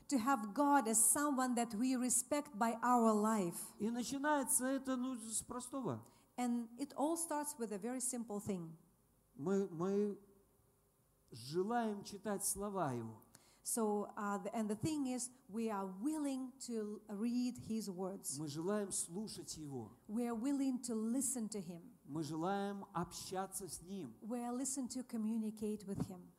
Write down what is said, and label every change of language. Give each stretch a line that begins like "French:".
English: To have God as someone that we respect by our life.
Russian: И начинается это, ну, с простого.
English: And it all starts with a very simple thing.
Russian: Мы желаем читать слова Его.
English: So and the thing is, we are willing to read His words.
Russian: Мы желаем слушать Его.
English: We are willing to listen to Him.
Russian: Мы желаем общаться с Ним.
English: We are listening to communicate with Him.